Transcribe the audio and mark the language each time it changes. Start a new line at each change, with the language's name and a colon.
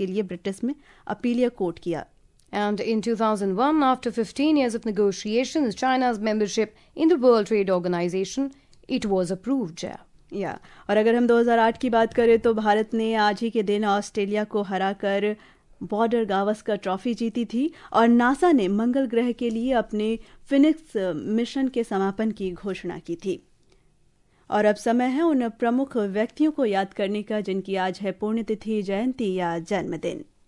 Hindi: इसके लिए ब्रिटिश में अपीलीय कोर्ट किया.
English: And in 2001, after 15 years of negotiations, China's membership in the World Trade Organization, it was approved. Yeah.
Hindi: और अगर हम 2008 की बात करें तो भारत ने आज ही के दिन ऑस्ट्रेलिया को हराकर बॉर्डर गावस्कर ट्रॉफी जीती थी और नासा ने मंगल ग्रह के लिए अपने फिनिक्स मिशन के समापन की घोषणा की थी. और अब समय है उन प्रमुख व्यक्तियों को याद करने का जिनकी आज है पुण्यतिथि, जयंती या जन्मदिन.